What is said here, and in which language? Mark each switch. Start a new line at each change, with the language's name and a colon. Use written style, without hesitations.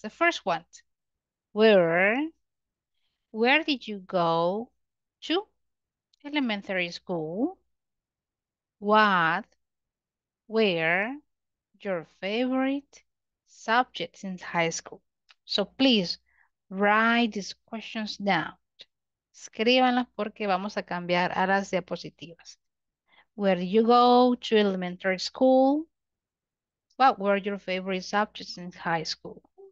English: The first one, where did you go to elementary school? What were your favorite subjects in high school? So please write these questions down.
Spanish: Escríbanlas porque vamos a cambiar a las diapositivas.
English: Where did you go to elementary school? What were your favorite subjects in high school?